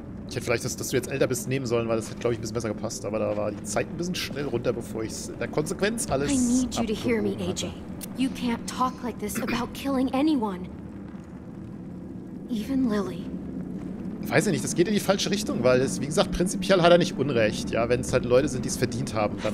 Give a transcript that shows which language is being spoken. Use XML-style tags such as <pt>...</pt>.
<de>Ich hätte vielleicht das, dass du jetzt älter bist, nehmen sollen, weil das hätte, glaube ich, ein bisschen besser gepasst. Aber da war die Zeit ein bisschen schnell runter, bevor ich es in der Konsequenz alles abgerufen hatte.</de> <en>I need you to hear me, AJ. You can't talk like this about killing anyone. Even Lily.</en> <de>Weiß ich nicht, das geht in die falsche Richtung, weil es, wie gesagt, prinzipiell hat er nicht Unrecht. Ja, wenn es halt Leute sind, die es verdient haben, dann...</de>